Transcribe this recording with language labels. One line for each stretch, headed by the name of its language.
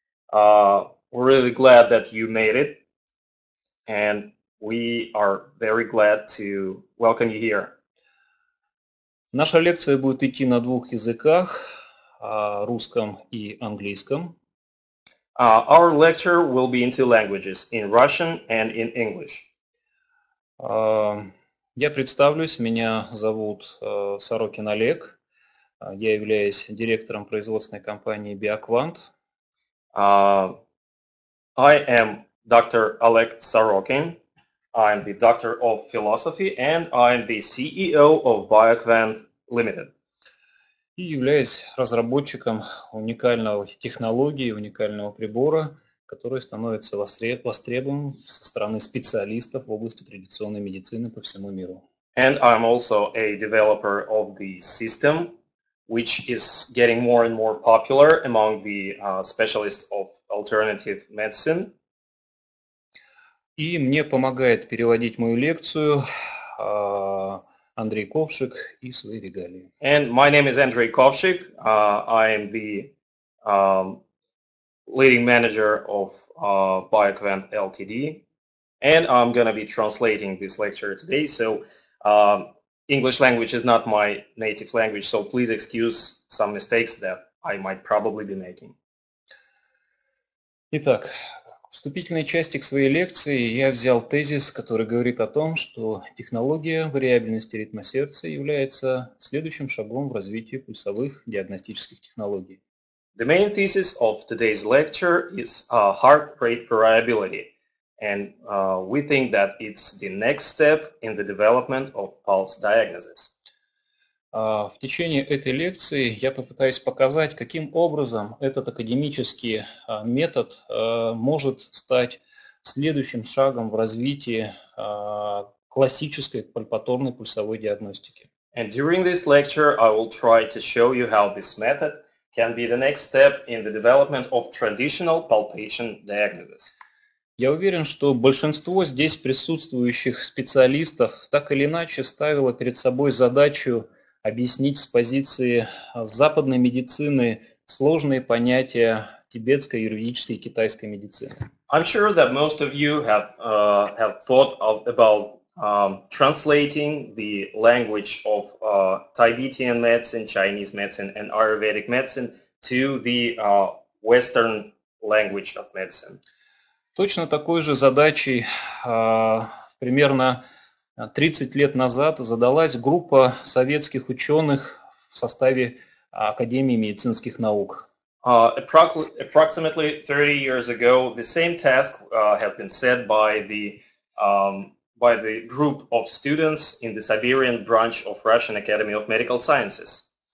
English: We're really glad that you made it, and we are very glad to welcome you here.
Russian: Наша лекция будет идти на двух языках, русском и английском.
English: Our lecture will be in two languages, in Russian and in English.
Russian: Я представлюсь, меня зовут Сорокин Олег. Я являюсь директором производственной компании BioQuant.
English: I am Dr. Oleg Sorokin. I am the doctor of philosophy and I am the CEO of BioQuant Limited.
Russian: И являюсь разработчиком уникальной технологии, уникального прибора, который становится востребован со стороны специалистов в области традиционной медицины по всему миру.
English: And I'm also a developer of the system, which is getting more and more popular among the specialists of alternative medicine.
Russian: И мне помогает переводить мою лекцию Андрей Ковшик и свои регалии.
English: And my name is Andrey Kovshik. I am the leading manager of BioQuant LTD, and I'm going to be translating this lecture today. So English language is not my native language, so please excuse some mistakes that I might probably be making.
Russian: Итак, в вступительной части к своей лекции я взял тезис, который говорит о том, что технология вариабельности ритма сердца является следующим шагом в развитии пульсовых диагностических технологий.
English: The main thesis of today's lecture is heart rate variability, and we think that it's the next step in the development of pulse diagnosis.
Russian: В течение этой лекции я попытаюсь показать, каким образом этот академический метод может стать следующим шагом в развитии классической пальпаторной пульсовой диагностики.
English: And during this lecture, I will try to show you how this method can be the next step in the development of traditional palpation diagnosis.
Russian: Я уверен, что большинство здесь присутствующих специалистов так или иначе ставило перед собой задачу объяснить с позиции западной медицины сложные понятия тибетской, юридической и китайской медицины.
English: I'm sure that most of you have thought of, about translating the language of Tibetan medicine, Chinese medicine, and Ayurvedic medicine to the Western language of medicine.
Russian: Точно такой же задачей примерно 30 лет назад задалась группа советских ученых в составе Академии медицинских наук.
English: Approximately 30 years ago, the same task has been set by the group of students in the Siberian branch of Russian Academy of Medical Sciences.